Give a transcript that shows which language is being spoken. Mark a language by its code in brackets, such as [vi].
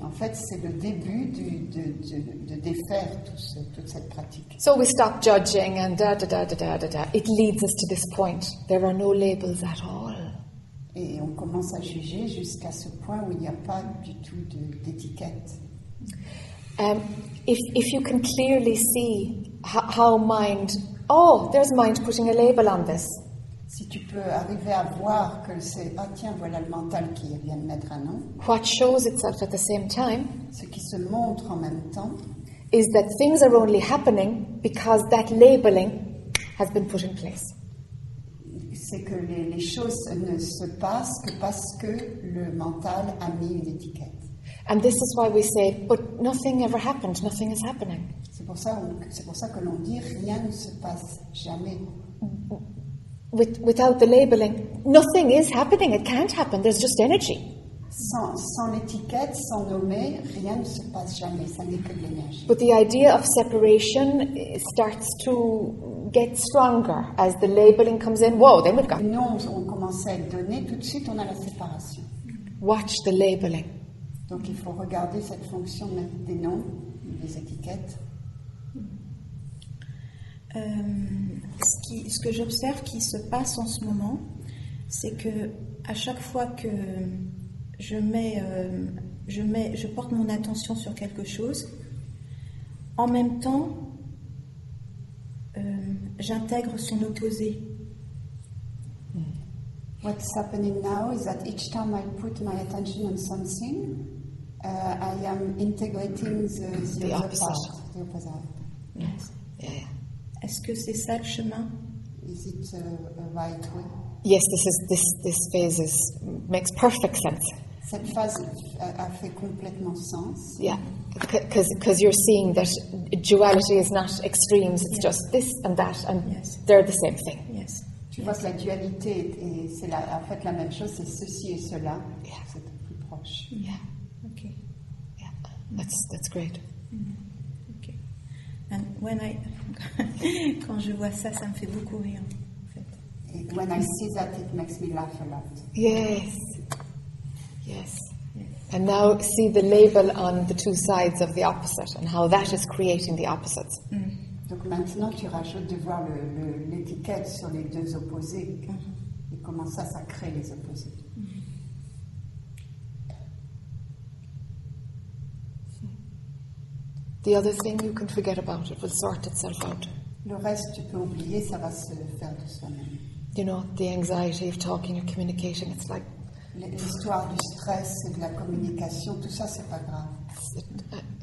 [fr] En fait, c'est le début de défaire toute cette pratique. [en] So we stop judging and da da da da da da da. It leads us to this point. There are no labels at all. [fr] Et on commence à juger jusqu'à ce point où il n'y a pas du tout d'étiquette. [en] If you can clearly see how mind, there's mind putting a label on this. [fr] Si tu peux arriver à voir que c'est ah tiens voilà le mental qui vient de mettre un nom. [en] What shows itself at the same time? [fr] Ce qui se montre en même temps. [en] Is that things are only happening because that labeling has been put in place. [fr] C'est que les choses ne se passent que parce que le mental a mis une étiquette. [en] And this is why we say, but nothing ever happened. Nothing is happening. [fr] C'est pour ça que l'on dit rien ne se passe jamais. [en] Without the labeling, nothing is happening. It can't happen. There's just energy. [fr] Sans l'étiquette, sans nommer, rien ne se passe jamais. Ça n'est que de l'énergie. [en] But the idea of separation starts to get stronger as the labeling comes in. Whoa, then we've got. [fr] Non, on commence à être donné tout de suite. On a la séparation. [en] Watch the labeling. [fr] Donc il faut regarder cette fonction des noms, des étiquettes. Ce que j'observe qui se passe en ce moment, c'est que à chaque fois que je porte mon attention sur quelque chose, en même temps, j'intègre son opposé. [en] What's happening now is that each time I put my attention on something, I am integrating the opposite. Yes. Yeah. [fr] Est-ce que c'est ça le chemin? [en] Is it a right way? Yes, this phase makes perfect sense. [fr] Cette phase a fait complètement sens. [en] Yeah, because you're seeing that duality is not extremes, it's just this and that, and they're the same thing. Yes. [fr] Tu vois que la dualité, et c'est en fait la même chose, c'est ceci et cela. [en] Yeah. [fr] C'est plus proche. [en] Yeah. Okay. Yeah, that's great. And when I [fr] quand je vois ça, ça me fait beaucoup rire. En fait. [en] When I see that, it makes me laugh a lot. Yes. Yes. And now see the label on the two sides of the opposite and how that is creating the opposites. Mm. [fr] Donc maintenant, tu rajoutes de voir l'étiquette sur les deux opposés et comment ça crée les opposés. [en] The other thing you can forget about, it will sort itself out. [fr] Le reste, tu peux oublier, ça va se faire de soi-même. [en] You know, the anxiety of talking or communicating, it's like... [fr] L'histoire du stress et de la communication, tout ça, c'est pas grave.